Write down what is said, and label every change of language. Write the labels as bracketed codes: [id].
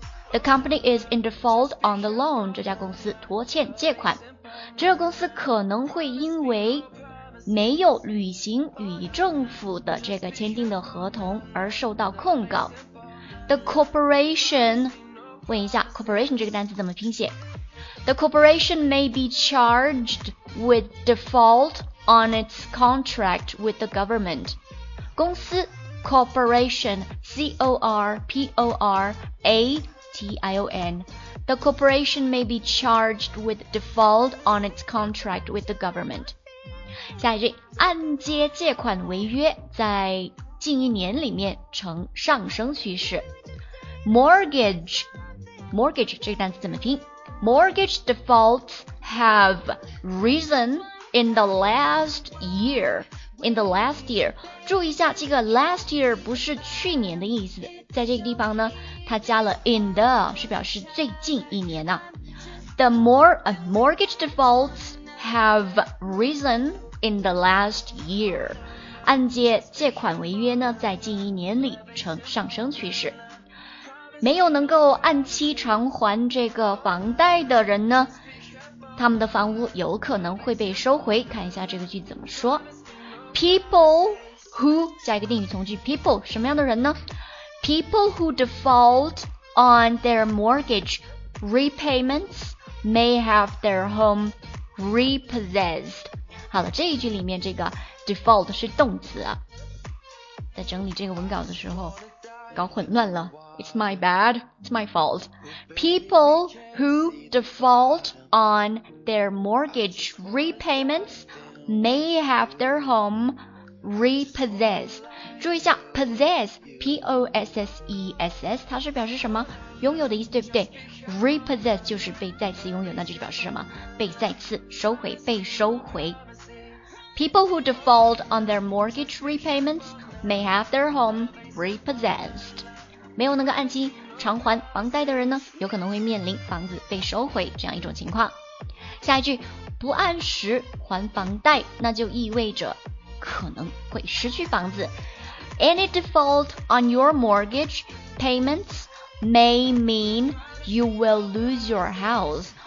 [en] The company is in default on the loan， [zh] 这家公司拖欠借款。这家公司可能会因为没有履行与政府的这个签订的合同而受到控告。 [en] The corporation， [zh] 问一下 corporation 这个单词怎么拼写。 [en] The corporation may be charged with default on its contract with the government。 [zh] 公司 corporation C-O-R-P-O-R-A-T-I-O-N [en] The corporation may be charged with default on its contract with the government. [zh] 下一句，按揭借款违约在近一年里面呈上升趋势。 Mortgage 这个单词怎么拼？ [en] Mortgage defaults have risen in the last year. In the last year. [zh] 注意一下，这个 [en] last year [zh] 不是去年的意思。在这个地方呢，它加了 [en] in the, [zh] 是表示最近一年啊。 [en] Mortgage defaults have risen in the last year. [zh] 按揭借款违约呢，在近一年里呈上升趋势。没有能够按期偿还这个房贷的人呢，他们的房屋有可能会被收回。看一下这个句怎么说。 [en] People who, [zh] 加一个定语从句 people, 什么样的人呢？ [en] People who default on their mortgage repayments may have their home repossessed. [zh] 好了，这一句里面这个 default 是动词啊。在整理这个文稿的时候搞混乱了。 [en] It's my bad, it's my fault. People who default on their mortgage repayments may have their home repossessed. [zh] 注意一下 possess, P-O-S-S-E-S-S, 它是表示什么？拥有的意思，对不对？ Repossessed 就是被再次拥有，那就表示什么？被再次收回，被收回。 [en] People who default on their mortgage repayments may have their home repossessed. [zh] 没有能够按期偿还房贷的人呢，有可能会面临房子被收回这样一种情况。下一句，不按时还房贷，那就意味着可能会失去房子。 [en] Any default on your mortgage payments may mean you will lose your house.